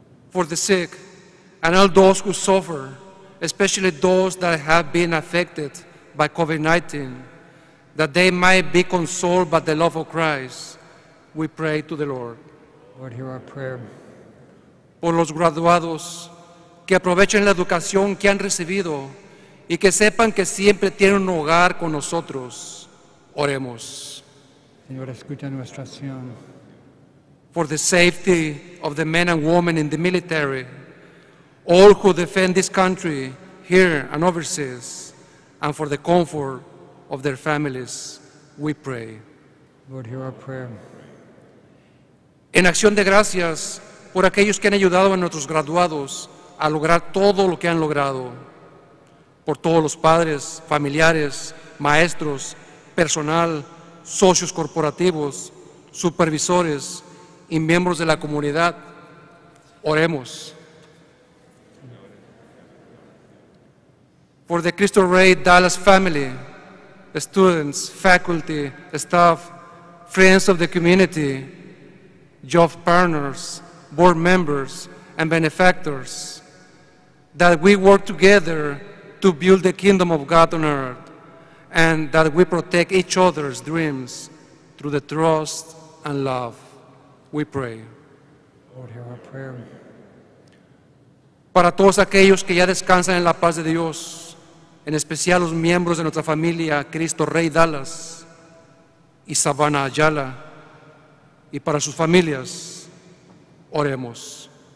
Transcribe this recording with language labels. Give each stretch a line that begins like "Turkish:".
English: For the sick and all those who suffer, especially those that have been affected by COVID-19, that they might be consoled by the love of Christ, we pray to the Lord. Lord, hear our prayer.
Spanish: Por los graduados, que aprovechen la educación que han recibido y que sepan que siempre tienen un hogar con nosotros. Oremos. Señor, escucha nuestra oración.
English: For the safety of the men and women in the military, all who defend this country here and overseas, and for the comfort of their families, we pray. Lord, hear our prayer.
Spanish: En acción de gracias por aquellos que han ayudado a nuestros graduados a lograr todo lo que han logrado, por todos los padres, familiares, maestros, personal, socios corporativos, supervisores y miembros de la comunidad, oremos.
English: For the Cristo Rey Dallas family, students, faculty, staff, friends of the community, job partners, board members, and benefactors, that we work together to build the kingdom of God on earth, and that we protect each other's dreams through the trust and love, we pray. Lord, hear our prayer.
Spanish: Para todos aquellos que ya descansan en la paz de Dios, en especial los miembros de nuestra familia, Cristo Rey Dallas y Savannah Ayala, y para sus familias, oremos.